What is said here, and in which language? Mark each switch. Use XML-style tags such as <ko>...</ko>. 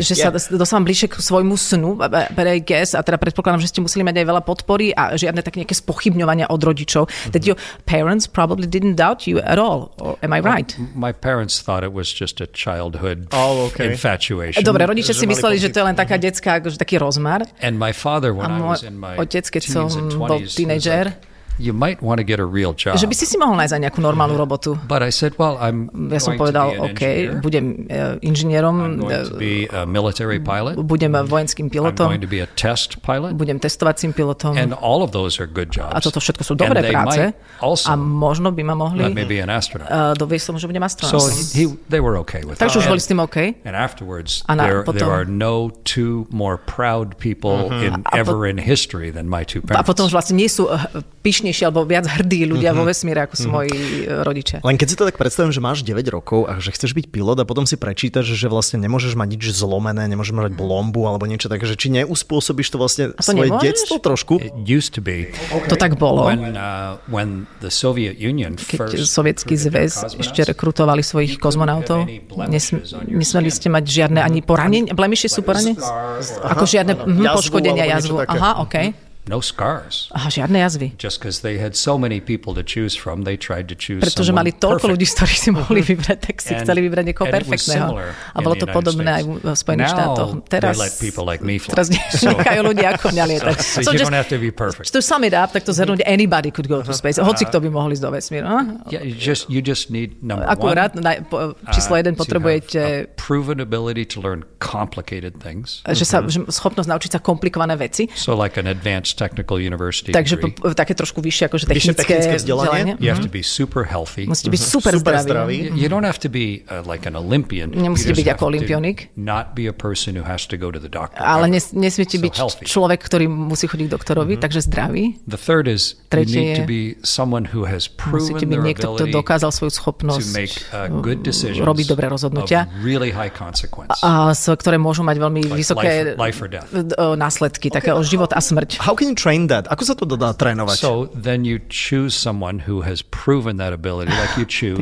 <sk>Že sa dostávam bližšie k svojmu snu,</sk> <en>but I guess,</en> <sk>a teda predpokladám, že ste museli mať aj veľa podpory a žiadne tak nejaké spochybňovania od rodičov.</sk> <en>That your parents probably didn't doubt you at all. Or am I right? My parents thought it was just a childhood infatuation.</en> <sk>Dobre, rodičia si mysleli, že to je len taká detská, akože taký rozmar.</sk> <en>And my father, when I was in my</en> <sk>otec, keď som bol tínedžer,</sk> <en>you might want to get a real job.</en> <sk>Že by si si mohol nájsť aj nejakú normálnu robotu.</sk> <en>But I said, well, I'm</en> <sk>ja som povedal, OK, budem inžinierom. Budem vojenským pilotom.</sk> <en>I'm going to be a test pilot.</en> <sk>Budem testovacím pilotom.</sk> <en>And all of those are good jobs.</en> <sk>A toto všetko sú dobré práce. A možno by ma mohli dovieť tomu, že budem astronaut.</sk> <en>So they were okay with</en> <sk>takže už boli s tým OK.</sk> <en>And afterwards, there are no two more proud people ever in history than my two parents.</en> <sk>A potom už vlastne nie sú píšnejší alebo viac hrdí ľudia vo vesmíre, ako sú moji rodičia. Len keď si to tak predstavím, že máš 9 rokov a že chceš byť pilot a potom si prečítaš, že vlastne nemôžeš mať nič zlomené, nemôžeš mať blombu alebo niečo také, že či neuspôsobíš to vlastne to svoje nemôžeš? Detstvo trošku?</sk> <en>Used to be.</en> <sk>To tak bolo.</sk> <en>When the Soviet Union</en> <sk>keď Sovietský zväz ešte rekrutovali svojich kozmonautov, nesmeli ste mať žiadne ani poranenie, blemiši sú poranenie? Ako žiadne poškodenia jazvu. Aha, okej. Okay.</sk> <en>No scars.</en> <sk>Aha, žiadne jazvy.</sk> <en>Just because they had so many people to choose from, they tried to choose someone perfect.</en> <sk>Pretože mali toľko ľudí, z ktorých si mohli vybrať, tak si chceli vybrať niekoho perfektného. A bolo to podobné aj v Spojených štátoch.</sk> <en>Teraz they let people like me fly.</en> <sk>Teraz nechajú ľudí ako mňa lietať.</sk> <en>So you don't have to be perfect. To sum it up,</en> <sk>tak to zhrnúť,</sk> <en>anybody could go to space.</en> <sk>Hoci kto by mohli ísť do vesmíru.</sk> <en>Yeah, you just need number one.</en> <sk>Akurát, číslo jeden potrebujete...</sk> <en>A proven ability to learn complicated things.</en> <sk>Že sa, schopnosť naučiť sa komplikované veci.</sk> <en>So like an advanced technical university</en> <sk>takže</sk> <en>degree.</en> <sk>Takže také trošku vyššie, akože technické vzdelanie.</sk> <en>You have to be super healthy.</en> <sk>Musíte byť super, super zdravý.</sk> <en>You don't have to be like an Olympian.</en> <sk>Nemusíte byť ako olympionik.</sk> <en>Not be a person who has to go to the doctor.</en> <sk>Ale nesmiete byť človek, ktorý musí chodiť k doktorovi, takže zdravý.</sk> <en>The third is you need to be someone who has proven their ability</en> <sk>niekto, kto dokázal svoju schopnosť robiť dobré rozhodnutia.</sk> <en>Really high consequence.</en> <sk>Ktoré môžu mať veľmi vysoké následky, také o život a smrť.</sk> <en>How can you train that?</en> <sk>Ako sa to dá trénovať?</sk> <en>So then you choose someone who has proven that ability, like you choose a surgeon.</en>